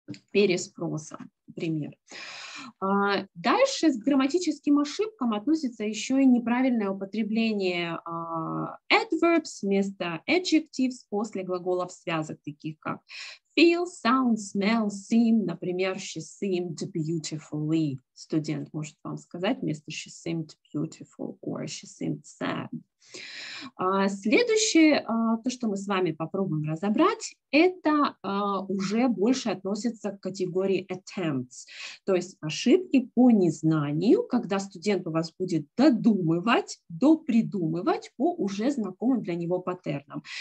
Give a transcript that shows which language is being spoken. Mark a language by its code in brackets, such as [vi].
[ru] переспросом, например. Дальше с грамматическим ошибкам относится еще и неправильное употребление adverbs вместо adjectives после глаголов связок, таких как [en] feel, sound, smell, seem. [ru] Например, [en] she seemed beautifully. [ru] Студент может вам сказать вместо [en] she seemed beautiful or she seemed sad. [ru] Следующее, то, что мы с вами попробуем разобрать, это уже больше относится к категории attempts, то есть ошибки по незнанию, когда студент у вас будет допридумывать по уже знакомым для него паттернам.